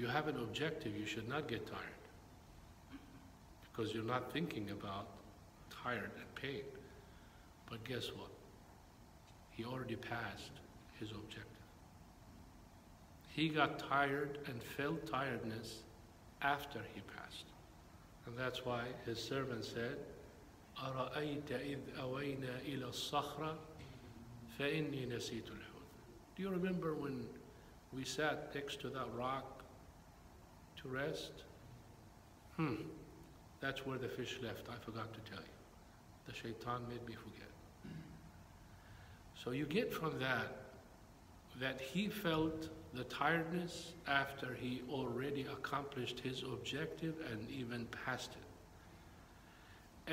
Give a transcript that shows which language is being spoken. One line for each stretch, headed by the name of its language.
English: you have an objective, you should not get tired, because you're not thinking about tired and pain. But guess what? He already passed his objective. He got tired and felt tiredness after he passed. And that's why his servant said,
Arabic: أَرَأَيْتَ إِذْ أَوَيْنَا إِلَى الصَّخْرَةِ فَإِنِّي نَسِيتُ الْحُوتَ.
English: Do you remember when we sat next to that rock to rest? That's where the fish left, I forgot to tell you. The shaitan made me forget. So you get from that he felt the tiredness after he already accomplished his objective and even passed it.